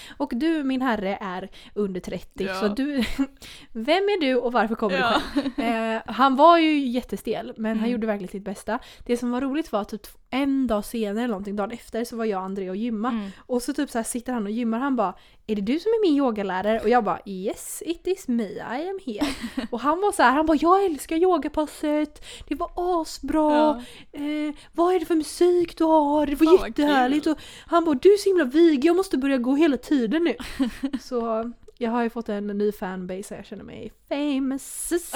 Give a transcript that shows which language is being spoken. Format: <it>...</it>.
<sv>Och du, min herre, är under 30. Ja. Så du, vem är du och varför kommer du? Han var ju jättestel, men han gjorde verkligen sitt bästa. Det som var roligt var att typ en dag senare eller någonting, dagen efter, så var jag och André och gymma. Mm. Och så typ så här sitter han och gymmar, han bara, är det du som är min yogalärare? Och jag bara,</sv> <en>yes, it is me, I am here.</en> <sv>Och han var så här, han bara, jag älskar yogapasset, det var asbra, ja, vad är det för musik du har? Det var jättehärligt. Och han bara, du är så himla vig, jag måste börja gå hela tiden nu. Så jag har ju fått en ny fanbase, jag känner mig famous.</sv>